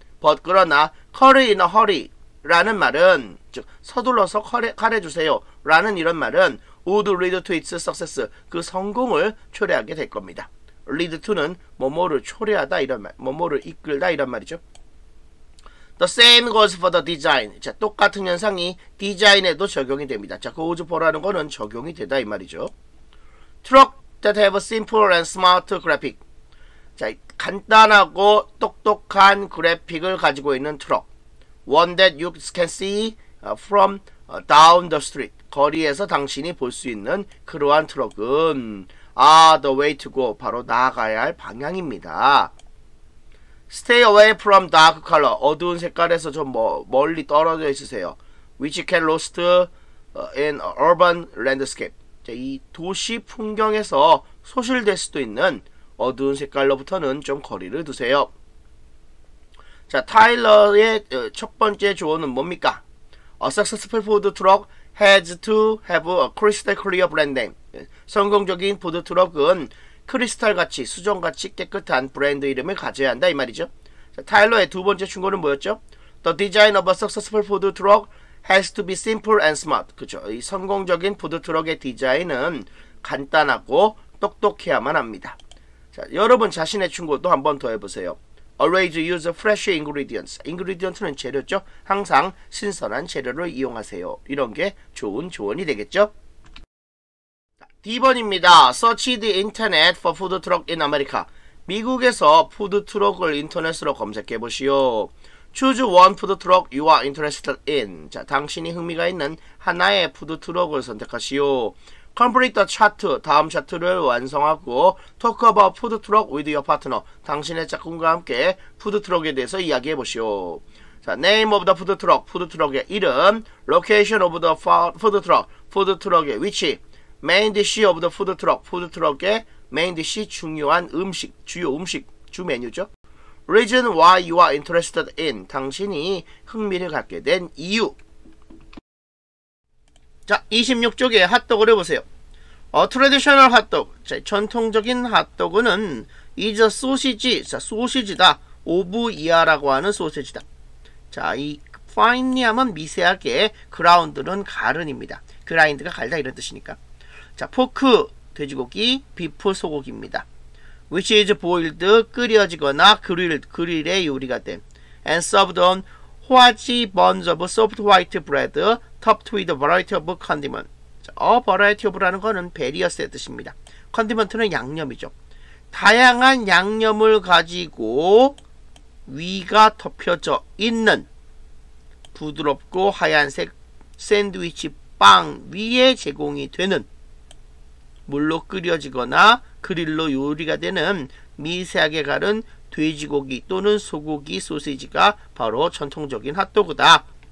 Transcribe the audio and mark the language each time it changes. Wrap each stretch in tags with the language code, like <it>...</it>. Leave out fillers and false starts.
<en>But</en> <ko>그러나</ko> <en>curry in a hurry</en> <ko>라는 말은 즉 서둘러서 카레 주세요 라는 이런 말은</ko> <en>would lead to its success,</en> <ko>그 성공을 초래하게 될 겁니다. lead to는 뭐뭐를 초래하다 이런 말, 뭐뭐를 이끌다 이런 말이죠.</ko> <en>The same goes for the design.</en> <ko>자, 똑같은 현상이 디자인에도 적용이 됩니다. 자, goes for라는 거는 적용이 되다 이 말이죠.</ko> <en>Truck that have a simple and smart graphic.</en> <ko>자, 간단하고 똑똑한 그래픽을 가지고 있는 트럭.</ko> <en>One that you can see from down the street.</en> <ko>거리에서 당신이 볼 수 있는 그러한 트럭은</ko> <en>the way to go.</en> <ko>바로 나아가야 할 방향입니다.</ko> <en>Stay away from dark color.</en> <ko>어두운 색깔에서 좀 멀리 떨어져 있으세요.</ko> <en>Which can lost in urban landscape.</en> <ko>자, 이 도시 풍경에서 소실될 수도 있는 어두운 색깔로부터는 좀 거리를 두세요. 자, 타일러의 첫 번째 조언은 뭡니까?</ko> <en>A successful food truck has to have a crystal clear brand name.</en> <ko>성공적인 푸드 트럭은 크리스탈같이, 수정같이 깨끗한 브랜드 이름을 가져야 한다 이 말이죠. 자, 타일러의 두 번째 충고는 뭐였죠?</ko> <en>The design of a successful food truck has to be simple and smart.</en> <ko>그렇죠. 이 성공적인 푸드 트럭의 디자인은 간단하고 똑똑해야만 합니다. 자, 여러분 자신의 충고도 한 번 더 해보세요.</ko> <en>Always use fresh ingredients. Ingredient는</en> <ko>재료죠. 항상 신선한 재료를 이용하세요. 이런 게 좋은 조언이 되겠죠. D번입니다.</ko> <en>Search the internet for food truck in America.</en> <ko>미국에서 푸드트럭을 인터넷으로 검색해보시오.</ko> <en>Choose one food truck you are interested in.</en> <ko>자, 당신이 흥미가 있는 하나의 푸드 트럭을 선택하시오.</ko> <en>Complete the chart.</en> <ko>다음 차트를 완성하고</ko> <en>talk about food truck with your partner.</en> <ko>당신의 짝꿍과 함께 푸드 트럭에 대해서 이야기해 보시오.</ko> <en>자, name of the food truck.</en> <ko>푸드 트럭의 이름.</ko> <en>Location of the food truck.</en> <ko>푸드 트럭의 위치.</ko> <en>Main dish of the food truck.</en> <ko>푸드 트럭의 메인 디시, 중요한 음식, 주요 음식, 주 메뉴죠.</ko> <en>Reason why you are interested in.</en> <ko>당신이 흥미를 갖게 된 이유. 자, 26쪽에 핫도그를 보세요.</ko> <en>A traditional hot dog.</en> <ko>자, 전통적인 핫도그는</ko> <en>is a sausage.</en> <ko>자, 소시지다. 5부 이하라고 하는 소시지다. 자, 이 finely함은 미세하게, ground는 가른입니다. 그라인드가 갈다 이런 뜻이니까. 자, 포크. 돼지고기, 비프 소고기입니다.</ko> <en>Which is boiled,</en> <ko>끓여지거나 그릴의 요리가 된.</ko> <en>And served on 화지 buns of soft white bread, topped with a variety of condiments. A variety of라는</en> <ko>것은 various의 뜻입니다. Condiment는 양념이죠. 다양한 양념을 가지고 위가 덮여져 있는 부드럽고 하얀색 샌드위치 빵 위에 제공이 되는 물로 끓여지거나 그릴로 요리가 되는 미세하게 갈은 돼지고기 또는 소고기 소시지가 바로 전통적인 핫도그다.</ko>